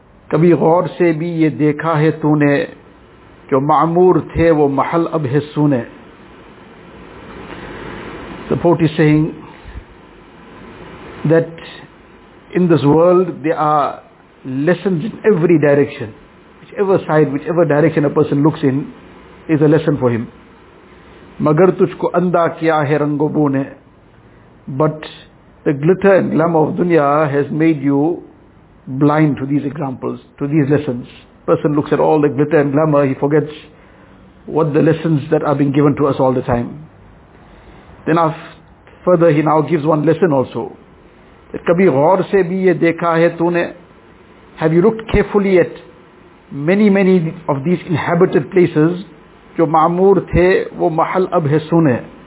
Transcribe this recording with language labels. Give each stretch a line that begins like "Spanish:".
Urdu: کبھی غور سے بھی یہ دیکھا ہے تو نے جو معمور تھے وہ محل اب ہے سونے.
English: The poet is saying that in this world there are lessons in every direction. Whichever side, whichever direction a person looks in is a lesson for him.
Urdu: مگر تجھ کو اندھا کیا ہے رنگ و بو نے.
English: But the glitter and glamour of dunya has made you blind to these examples, to these lessons. Person looks at all the glitter and glamour, he forgets what the lessons that are being given to us all the time. Then further he now gives one lesson also. That
Urdu: kabhi ghor se bhi ye dekha hai tune,
English: have you looked carefully at many of these inhabited places,
Urdu: jo maamoor the wo mahal ab hai sune.